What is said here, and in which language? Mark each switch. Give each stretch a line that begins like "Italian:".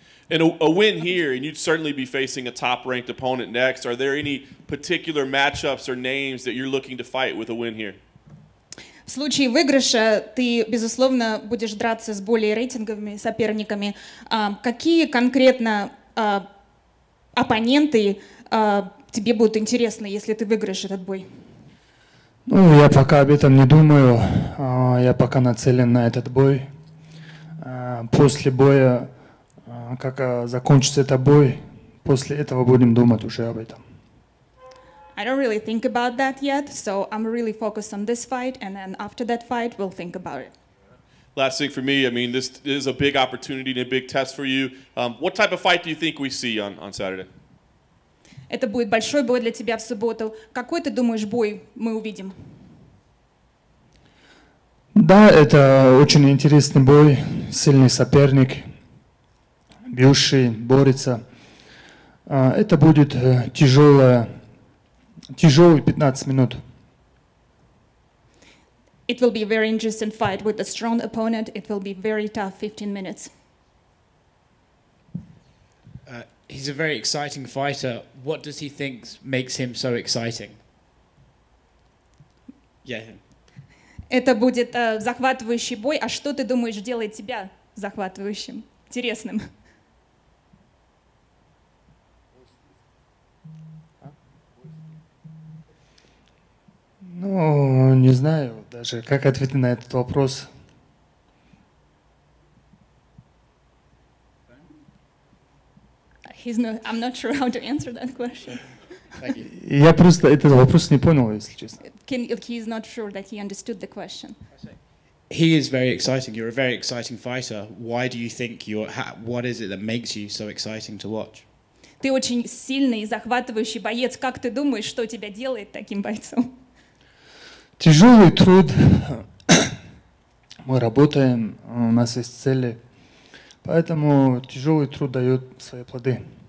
English: And a win here, and you'd certainly be facing a top-ranked opponent next. Are there any particular matchups or names that you're looking to fight with a win here?
Russian: В случае выигрыша ты, безусловно, будешь драться с более рейтинговыми соперниками. Какие конкретно оппоненты тебе будет интересно, если ты выиграешь этот бой? Ну, я пока об этом не думаю. Я пока нацелен на этот бой. После боя, как закончится этот бой, после этого будем думать уже об этом.
English: I don't really think about that yet, so I'm really focused on this fight, and then after that fight, we'll think about it. Last thing for me, I mean, this is a big opportunity and a big test for you. What type of fight do you think we see on Saturday?
Russian: Это будет большой бой для тебя в субботу. Какой, ты думаешь, бой мы увидим? Да, это очень интересный бой. Сильный соперник. Бьющий, борется. Это будет тяжелый 15 минут.
English: It will be a very interesting fight with a strong opponent. It will be very tough 15 minutes. He's a very exciting fighter. What does he think makes him so exciting? Yeah.
Russian: Это будет захватывающий бой. А что ты думаешь делает тебя захватывающим, интересным? Ну, не знаю даже, как ответить на этот вопрос.
English: I'm not sure how to answer that question.
Russian: Я просто этот вопрос не понял, если честно.
English: He's not sure that he understood the question. He is very exciting. You're a very exciting fighter. Why do you think you're... What is it that makes you so exciting to watch?
Russian: ты очень сильный и захватывающий боец. Как ты думаешь, что тебя делает таким бойцом? Тяжелый труд. Мы работаем, у нас есть цели. Поэтому тяжелый труд дает свои плоды.